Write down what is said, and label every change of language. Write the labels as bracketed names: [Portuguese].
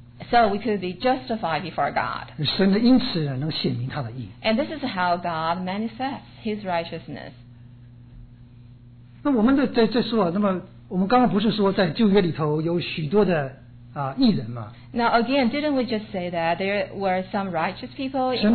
[English] so we could be justified before God. [Chinese] 神呢,因此呢, [English] and this is how God manifests His righteousness. [Chinese] 那我们在说啊,那么我们刚刚不是说在旧约里头有许多的义人吗? [English] Now again, didn't we just say that there were some righteous people in